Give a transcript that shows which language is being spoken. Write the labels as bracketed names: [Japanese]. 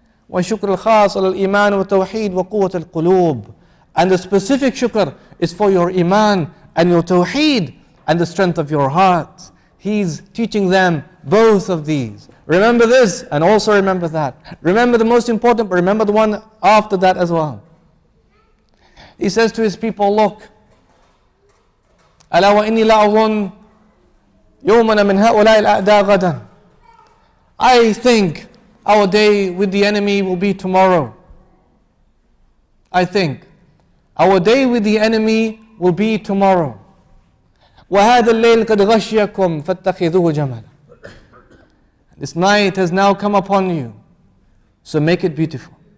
[Arabic] وَشُكْرُ الْخَاصِ عَلَى الْإِيمَانِ وَالْتَوْحِيدِ وَقُوَّةِ الْقُلُوبِ. [English] And the specific shukr is for your iman and your tawheed and the strength of your heart. He's teaching them both of these. Remember this and also remember that. Remember the most important, but remember the one after that as well. [Arabic] He says to his people, look, أَلَا وَإِنِّي لَأَظُنْ يَوْمَنَ مِنْ هَؤُلَاءِ الْأَعْدَى غَدًا. [English] I think our day with the enemy will be tomorrow. I think our day with the enemy will be tomorrow. [Arabic] وَهَذَا اللَّيْلِ قَدْ غَشِيَكُمْ فَاتَّخِذُهُ جَمَلًا. [English] This night has now come upon you, so make it beautiful.